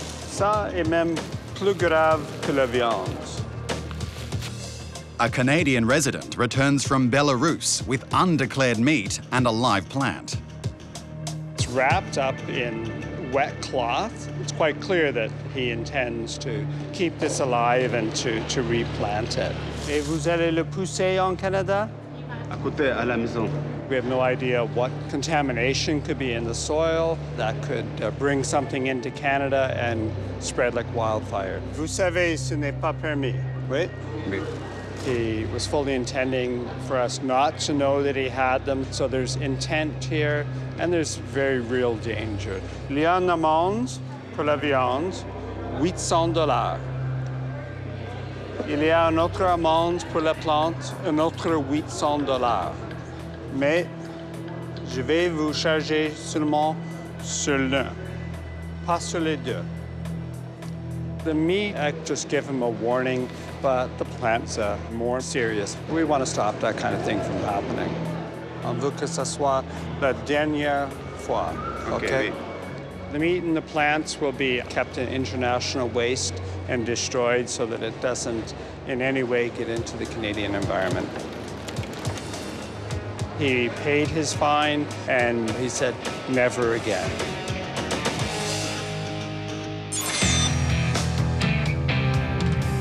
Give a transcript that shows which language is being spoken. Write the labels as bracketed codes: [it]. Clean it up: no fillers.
[fr] Ça est même plus grave que la viande. [en] A Canadian resident returns from Belarus with undeclared meat and a live plant. It's wrapped up in wet cloth. It's quite clear that he intends to keep this alive and to replant it. [fr] Et vous allez le pousser en Canada? À côté, à la maison. [en] We have no idea what contamination could be in the soil that could bring something into Canada and spread like wildfire. [fr] Vous savez, ce n'est pas permis, oui? Oui. [en] He was fully intending for us not to know that he had them, so there's intent here, and there's very real danger. [fr] Il y a une amende pour la viande, $800. Il y a une autre amende pour la plante, une autre $800. Mais je vais vous charger seulement sur l'un, pas sur les deux. [en] The meat, I just give him a warning, but the plant's more serious. We want to stop that kind of thing from happening. [fr] On veut que ça soit la dernière fois, OK? [en] Okay. The meat and the plants will be kept in international waste and destroyed so that it doesn't in any way get into the Canadian environment. He paid his fine, and he said, never again. Yeah.